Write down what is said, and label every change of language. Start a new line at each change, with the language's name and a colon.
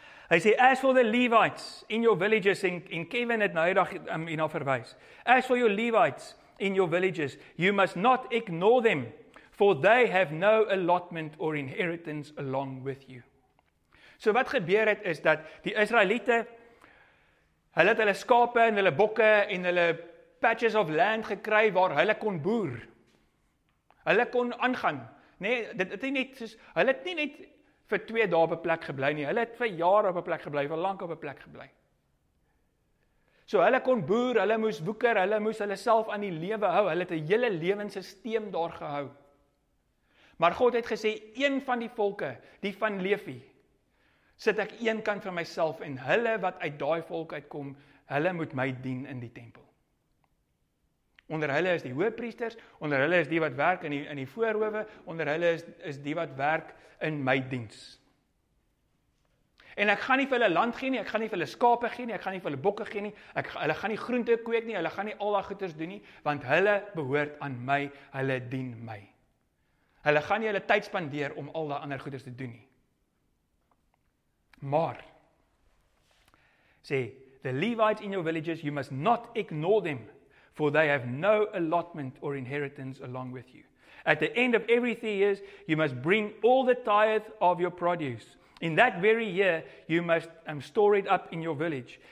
Afrikaans: Hy sê,
English: as for the Levites in your villages,
Afrikaans: en Kevin het nou hierdag hierna verwys,
English: as for your Levites in your villages, you must not ignore them, for they have no allotment or inheritance along with you.
Afrikaans: So wat gebeur het, is dat die Israeliete, hulle het hulle skape en hulle bokke en hulle
English: patches of land
Afrikaans: gekry waar hulle kon boer. Hulle kon aangaan. Nee, dit het net soos, hulle het nie net vir 2 dae op 'n plek gebly nie. Hulle het vir jare op 'n plek gebly, vir lank op 'n plek gebly. So hulle kon boer, hulle moes woeker, hulle moes hulle self aan die lewe hou. Hulle het 'n hele lewensisteem daar gehou. Maar God het gesê, een van die volke, die van Levi, sit ek een kant vir myself en hulle wat uit daai volk uitkom, hulle moet my dien in die tempel. Onder hulle is die hoëpriesters, onder hulle is die wat werk in die voorhoewe, onder hulle is die wat werk in my diens. En ek gaan nie vir hulle land gee nie, ek gaan nie vir hulle skape gee nie, ek gaan nie vir hulle bokke gee nie. Hulle gaan nie groente kweek nie, hulle gaan nie al daai goeders doen nie, want hulle behoort aan my, hulle dien my. Hulle gaan nie hulle tyd spandeer om al daai ander goeders te doen nie. Maar sê
English: the Levites in your villages, you must not ignore them, for they have no allotment or inheritance along with you. At the end of every 3 years, you must bring all the tithe of your produce. In that very year, you must store it up in your village.